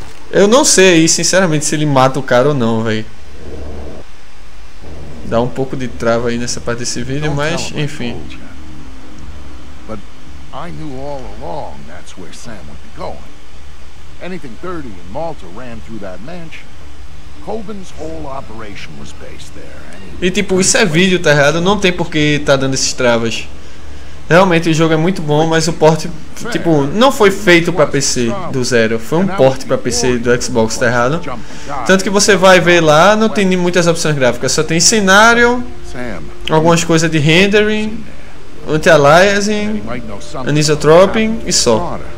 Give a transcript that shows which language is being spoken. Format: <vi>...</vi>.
<pt>Eu não sei aí, sinceramente, se ele mata o cara ou não, velho. Dá um pouco de trava aí nessa parte desse vídeo, mas enfim.</pt> <en>I knew all along that's where Sam would be going. Anything dirty in Malta ran through that mansion. Coben's whole operation was based there.</en> <pt>E tipo, isso é vídeo, tá errado? Não tem por que tá dando esses travas. Realmente o jogo é muito bom, mas o port tipo não foi feito para PC do zero, foi um port para PC do Xbox, tá errado? Tanto que você vai ver lá, não tem muitas opções gráficas, só tem cenário, algumas coisas de rendering, anti-aliasing, anisotropic e só.</pt>